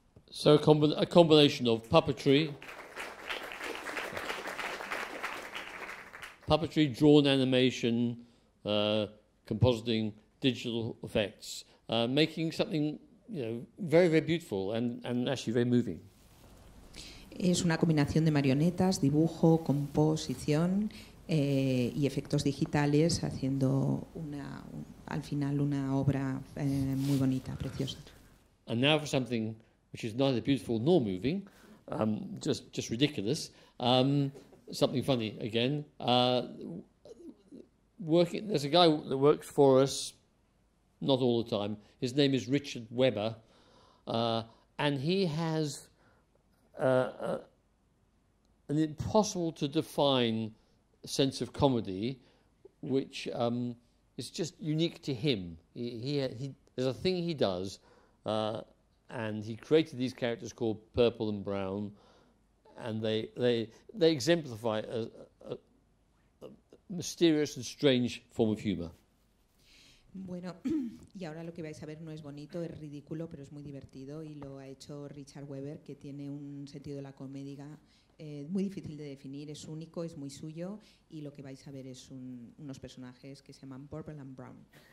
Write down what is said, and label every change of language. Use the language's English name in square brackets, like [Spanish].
[English] So a combination of puppetry, puppetry, drawn animation, compositing, digital effects, making something, you know, very, very beautiful and actually very moving. [Spanish] Es una combinación de marionetas, dibujo, composición y efectos digitales, haciendo al final una obra muy bonita, preciosa. [English] And now for something which is neither beautiful nor moving, just ridiculous. Something funny again. There's a guy that works for us, not all the time. His name is Richard Weber, and he has an impossible to define sense of comedy, which is just unique to him. There's a thing he does, and he created these characters called Purple and Brown, and they exemplify a mysterious and strange form of humor. [Spanish] Bueno, y ahora lo que vais a ver no es bonito, es ridículo, pero es muy divertido, y lo ha hecho Richard Weber, que tiene un sentido de la comedia muy difícil de definir, es único, es muy suyo, y lo que vais a ver es unos personajes que se llaman Purple and Brown.